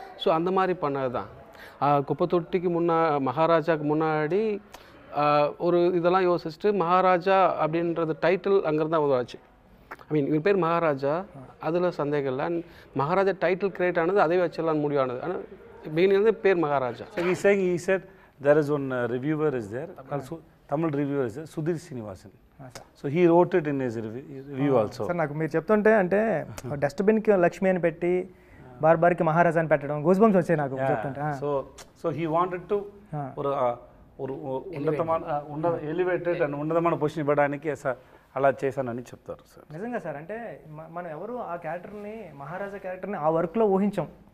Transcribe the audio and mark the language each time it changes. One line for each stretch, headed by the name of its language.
Tamil: So அந்த மாதிரி பண்ணது தான். குப்பை தொட்டிக்கு முன்னா மகாராஜாவுக்கு முன்னாடி ஒரு இதெல்லாம் யோசிச்சுட்டு மகாராஜா அப்படின்றது டைட்டில் அங்கேருந்து தான் உதவாச்சு.
English: I mean
Tamil: இவர் பேர் மகாராஜா, அதில் சந்தேகம் இல்லை. அண்ட் மகாராஜா டைட்டில் கிரியேட் ஆனது அதே வச்சிடலான்னு முடிவானது. ஆனால் பிகினிங்லேருந்து பேர் Maharaja.
English: So he saying, he said there is one reviewer is there, Tamil reviewer is Sudhir Srinivasan. So he wrote it in his review also.
Telugu: Sir నాకు మీరు చెప్తుంటే అంటే డస్ట్బిన్కి లక్ష్మి అని పెట్టి బార్బార్కి మహారాజా అని పెట్టడం గూస్ బంప్స్ వచ్చాయి నాకు చెప్తుంటే.
English: so he wanted to
Telugu: ఒక ఉన్నతమైన ఎలివేటెడ్ అండ్ ఉన్నతమైన పొజిషన్ ఇవ్వడానికి అలా చేశానని చెప్తారు సార్. నిజంగా సార్, అంటే మనం ఎవరు ఆ క్యారెక్టర్ని, మహారాజా క్యారెక్టర్ని ఆ వర్క్లో ఊహించాం.